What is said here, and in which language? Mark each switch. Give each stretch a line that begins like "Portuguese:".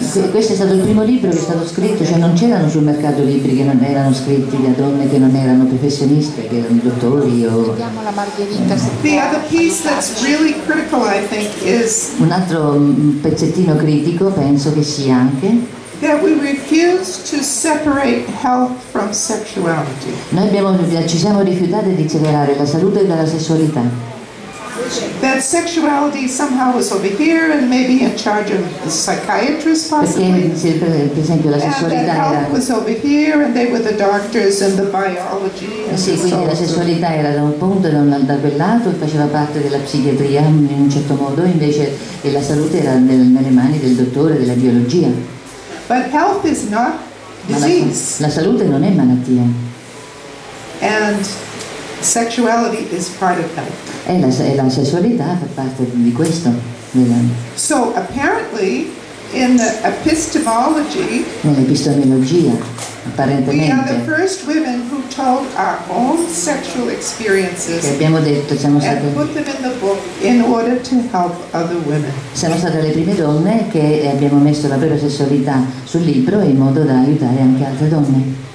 Italian: Questo è stato il primo libro che è stato scritto, cioè non c'erano sul mercato libri che non erano scritti da donne che non erano professioniste, che erano dottori o.
English: The other piece that's really critical, I think, is.
Italian: Un altro pezzettino critico, penso che sia anche.
English: That we refuse to separate health from sexuality.
Italian: Noi ci siamo rifiutate di separare la salute dalla sessualità.
English: That sexuality somehow was over here and maybe in charge of the psychiatrist possibly.
Italian: Perché, per esempio, la sessualità
English: and that health
Italian: era
English: was over here and they were the doctors and the biology. And
Italian: sì, quindi
English: soul.
Italian: La sessualità era da un punto e non da quel lato e faceva parte della psichiatria in un certo modo, invece e la salute era nelle mani del dottore, della biologia.
English: But health is not disease.
Italian: La salute non è malattia.
English: And sexuality is part of health.
Italian: E la sessualità fa parte di questo.
English: So apparently in the epistemology,
Italian: nell'epistemologia, apparentemente,
English: we are the first women who told our own sexual experiences
Italian: che abbiamo detto, siamo state,
English: and put them in the book in order to help other women.
Italian: Siamo state le prime donne che abbiamo messo la propria sessualità sul libro in modo da aiutare anche altre donne.